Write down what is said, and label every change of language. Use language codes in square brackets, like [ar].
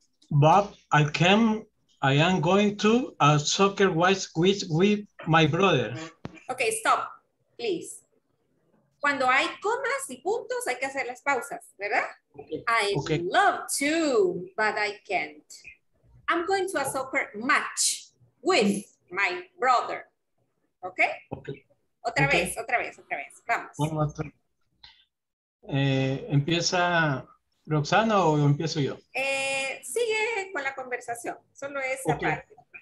[en] But I am going to a soccer match with my brother. Okay, stop, please. [es] Cuando hay comas y puntos, hay que hacer las pausas, ¿verdad? [en] Okay. I love to, but I can't. I'm going to a soccer match with my brother. Okay? Okay. [es] Otra vez. Vamos. ¿Empieza Roxana o empiezo yo? Sigue con la conversación. Solo esa parte.